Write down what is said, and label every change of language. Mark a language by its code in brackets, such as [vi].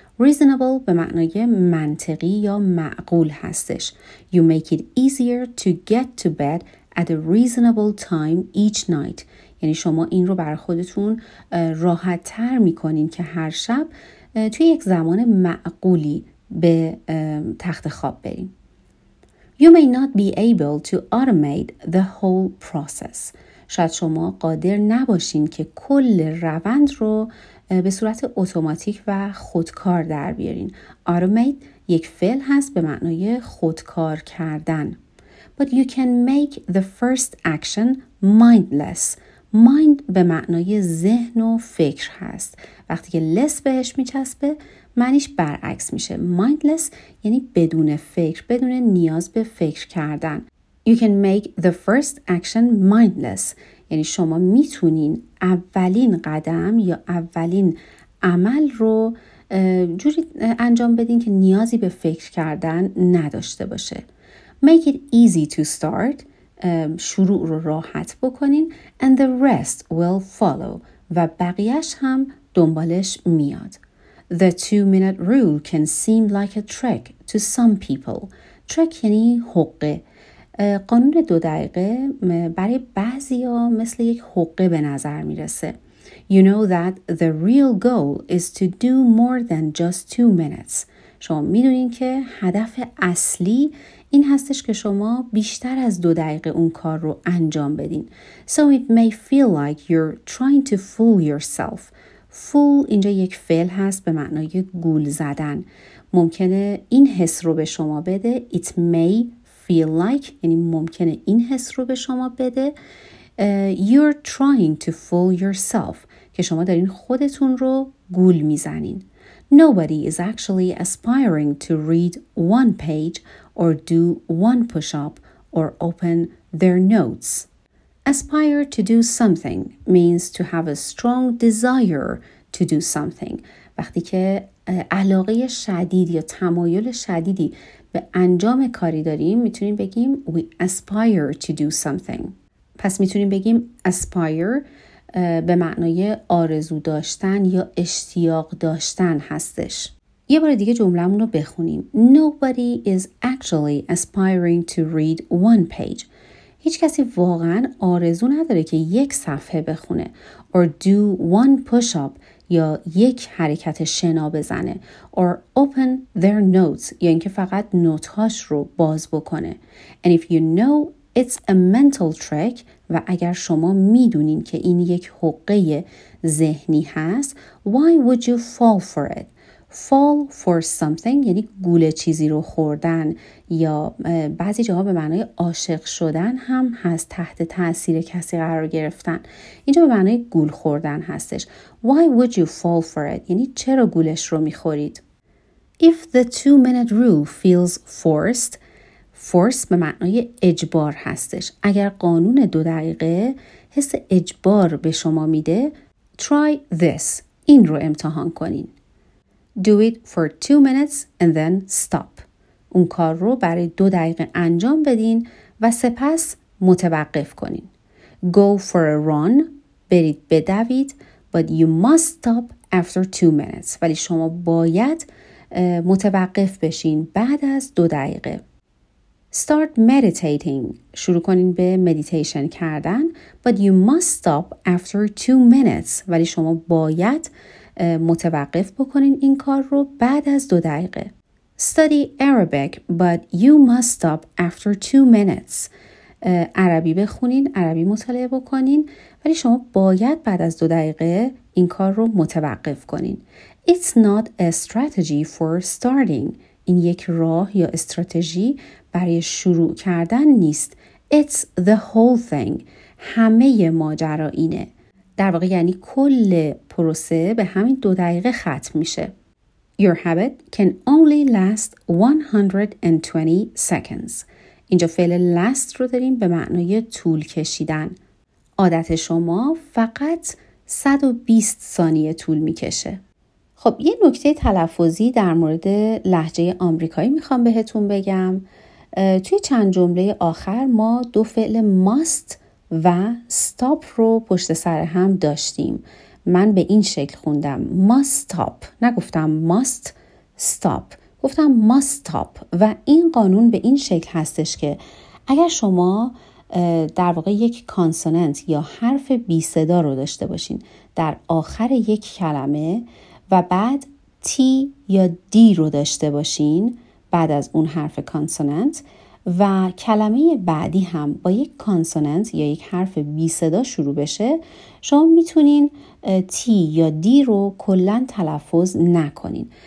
[en] Reasonable [fa] به معنای منطقی یا معقول هستش. [en] You make it easier to get to bed at a reasonable time each night. [fa] یعنی شما این رو برای خودتون راحت تر میکنین که هر شب توی یک زمان معقولی به تخت خواب بریم. [en] You may not be able to automate the whole process. [fa] شاید شما قادر نباشین که کل روند رو به صورت اتوماتیک و خودکار در بیارین. Automate یک فعل هست به معنای خودکار کردن. [en] But you can make the first action mindless. [fa] Mind به معنای ذهن و فکر هست. وقتی که less بهش میچسبه، معنیش برعکس میشه. Mindless یعنی بدون فکر، بدون نیاز به فکر کردن. [en] You can make the first action mindless. [fa] یعنی شما میتونین اولین قدم یا اولین عمل رو جوری انجام بدین که نیازی به فکر کردن نداشته باشه. [en] Make it easy to start. [fa] شروع رو راحت بکنین. [en] And the rest will follow. [fa] و بقیهش هم دنبالش میاد. [en] The 2-minute rule can seem like a trick to some people. [fa] Trick یعنی حقه. قانون 2 دقیقه برای بعضیا مثل یک حقه به نظر میرسه. [en] You know that the real goal is to do more than just 2 minutes. [fa] شما میدونین که هدف اصلی این هستش که شما بیشتر از 2 دقیقه اون کار رو انجام بدین. [en] So it may feel like you're trying to fool yourself. [fa] Fool اینجا یک فعل هست به معنای گول زدن. ممکنه این حس رو به شما بده. [en] It may feel like [fa] یعنی ممکنه این حس رو به شما بده. [en] You're trying to fool yourself [fa] که شما دارین خودتون رو گول میزنین. [en] Nobody is actually aspiring to read one page or do one push-up or open their notes. Aspire to do something means to have a strong desire to do something. [fa] وقتی که علاقه شدید یا تمایل شدیدی به انجام کاری داریم میتونیم بگیم [en] we aspire to do something. [fa] پس میتونیم بگیم aspire به معنای آرزو داشتن یا اشتیاق داشتن هستش. یه بار دیگه جمله‌مون رو بخونیم. [en] Nobody is actually aspiring to read one page. [fa] هیچ کسی واقعا آرزو نداره که یک صفحه بخونه. [en] Or do one push-up [fa] یا یک حرکت شنا بزنه. [en] Or open their notes [fa] یا اینکه فقط نوت‌هاش رو باز بکنه. [en] And if you know it's a mental trick [fa] و اگر شما میدونین که این یک حقه ذهنی هست [en] why would you fall for it? Fall for something [fa] یعنی گول چیزی رو خوردن یا بعضی جاها به معنای عاشق شدن هم هست تحت تأثیر کسی قرار گرفتن اینجا به معنای گول خوردن هستش [en] why would you fall for it [fa] یعنی چرا گولش رو میخورید [en] If the 2-minute rule feels forced [fa] Force به معنای اجبار هستش. اگر قانون 2 دقیقه حس اجبار به شما میده، [en] try this. [fa] این رو امتحان کنین. [en] Do it for 2 minutes and then stop. [fa] اون کار رو برای 2 دقیقه انجام بدین و سپس متوقف کنین. [en] Go for a run. [fa] برید بدوید. [en] But you must stop after 2 minutes. [fa] ولی شما باید متوقف بشین بعد از 2 دقیقه. [en] Start meditating. [fa] شروع کنین به مدیتیشن کردن. [en] But you must stop after 2 minutes. [fa] ولی شما باید متوقف بکنین این کار رو بعد از 2 دقیقه. [en] Study Arabic. But you must stop after 2 minutes. [fa] عربی بخونین. عربی مطالعه بکنین. ولی شما باید بعد از 2 دقیقه این کار رو متوقف کنین. [en] It's not a strategy for starting. [fa] این یک راه یا استراتژی برای شروع کردن نیست. [en] It's the whole thing. [fa] همه ماجرا اینه. در واقع یعنی کل پروسه به همین 2 دقیقه ختم میشه. [en] Your habit can only last 120 seconds. [fa] اینجا فعل last رو داریم به معنای طول کشیدن. عادت شما فقط 120 ثانیه طول میکشه. خب یه نکته تلفظی در مورد لهجه آمریکایی میخوام بهتون بگم. توی چند جمله آخر ما 2 فعل must و stop رو پشت سر هم داشتیم. من به این شکل خوندم. must stop. نگفتم must stop. گفتم must stop. و این قانون به این شکل هستش که اگر شما در واقع یک کانسوننت یا حرف بی صدا رو داشته باشین در آخر یک کلمه و بعد تی یا دی رو داشته باشین بعد از اون حرف کانسوننت و کلمه بعدی هم با یک کانسوننت یا یک حرف بی صدا شروع بشه، شما میتونین تی یا دی رو کلن تلفظ نکنین.